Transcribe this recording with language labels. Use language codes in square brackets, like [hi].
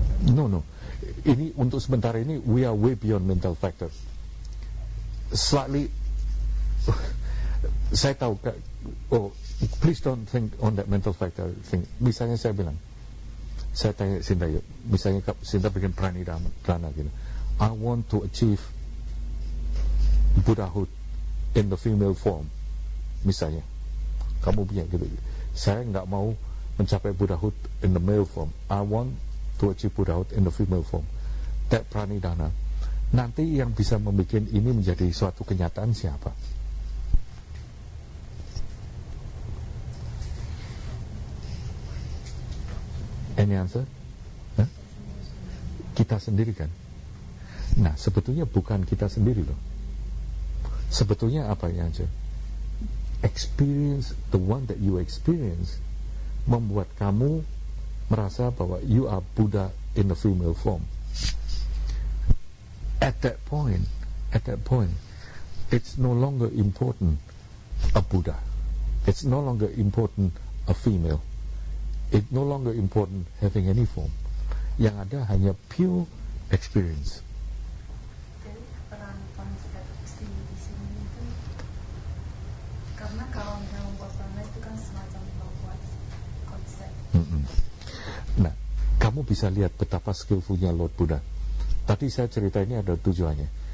[en] No, no. [id] Ini untuk sementara ini [en] we are way beyond mental factor. [id] Slightly, saya tahu. [en] Oh, please don't think on that mental factor thing. [id] Misalnya saya bilang, saya tanya Sinta, misalnya Sinta bikin pranidana gitu. [en] I want to achieve Buddhahood in the female form, misalnya. [id] Kamu punya gitu. Saya enggak mau mencapai Buddhahood [en] in the male form. I want to achieve Buddhahood in the female form. That pranidana. [id] Nanti yang bisa membuat ini menjadi suatu kenyataan siapa? [en] Any answer? [id] Huh? Kita sendiri kan? Nah, sebetulnya bukan kita sendiri loh. Sebetulnya apa ya, [en] Anja? Experience, the one that you experience, [id] membuat kamu merasa bahwa [en] you are Buddha in the female form. At that point, it's no longer important a Buddha. It's no longer important a female. It's no longer important having any form. [id] Yang ada hanya pure experience. Jadi peran konsep di sini itu karena kalau yang membuat peran itu kan semacam membuat konsep. Nah, kamu bisa lihat betapa skillfulnya Lord Buddha. Tadi saya cerita ini ada tujuannya.